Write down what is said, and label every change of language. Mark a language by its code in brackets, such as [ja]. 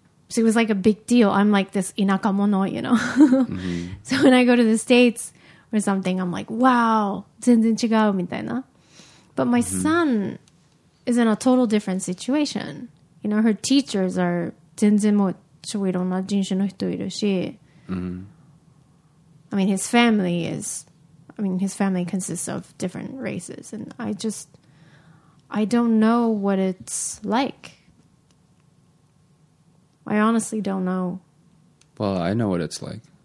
[en] So it was like a big deal. I'm like this 田舎者, you know. So when I go to the States or something, I'm like, wow, [ja] 全然違うみたいな. [en] But my son is in a total different situation. You know, her teachers are [ja] 全然もう超いろんな人種の人いるし、 mm-hmm. [en] I mean his family is I mean his family consists of different races and I just I don't know what it's like. I honestly don't know. Well, I know what it's like.